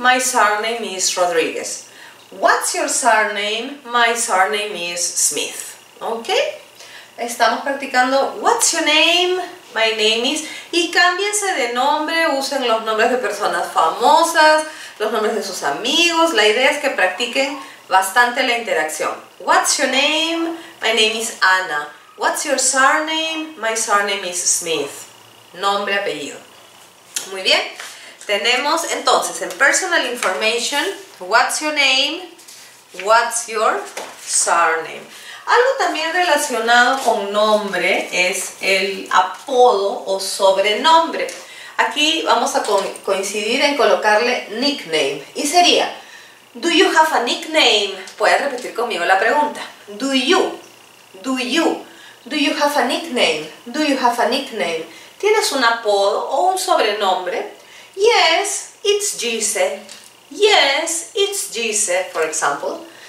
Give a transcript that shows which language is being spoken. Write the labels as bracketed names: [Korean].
[English] My surname is Rodriguez. What's your surname? My surname is Smith. ¿Ok? [Spanish] Estamos practicando, [English] what's your name, my name is, [Spanish] y cámbiense de nombre, usen los nombres de personas famosas, los nombres de sus amigos. La idea es que practiquen bastante la interacción. [English] What's your name? My name is Anna. What's your surname? My surname is Smith. [Spanish] Nombre, apellido. Muy bien. Tenemos entonces en [English] personal information, what's your name? What's your surname? [Spanish] Algo también relacionado con nombre es el apodo o sobrenombre. Aquí vamos a coincidir en colocarle nickname. Y sería, [English] do you have a nickname? [Spanish] Puedes repetir conmigo la pregunta. [English] Do you? Do you? Do you have a nickname? Do you have a nickname? [Spanish] ¿Tienes un apodo o un sobrenombre? [English] Yes, it's Gise. Yes, it's Gise, for example.